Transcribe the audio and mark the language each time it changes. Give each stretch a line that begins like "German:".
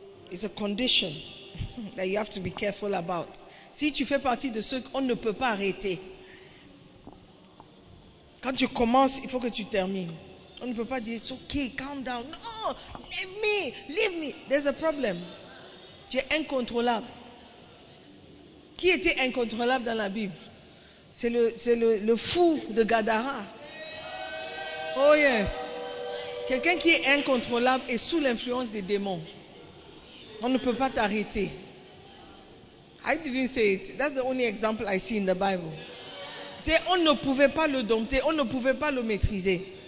English: It's a condition that you have to be careful about.
French: Si tu fais partie de ceux qu'on ne peut pas arrêter, quand tu commences, il faut que tu termines. On ne peut pas dire,
English: it's okay, calm down. No, leave me. There's a problem.
French: Tu es incontrôlable. Qui était incontrôlable dans la Bible? C'est le fou de Gadara.
English: Oh yes.
French: Quelqu'un qui est incontrôlable et sous l'influence des démons. On ne peut pas t'arrêter.
English: I didn't say it. That's the only example I see in the Bible.
French: C'est on ne pouvait pas le dompter, on ne pouvait pas le maîtriser.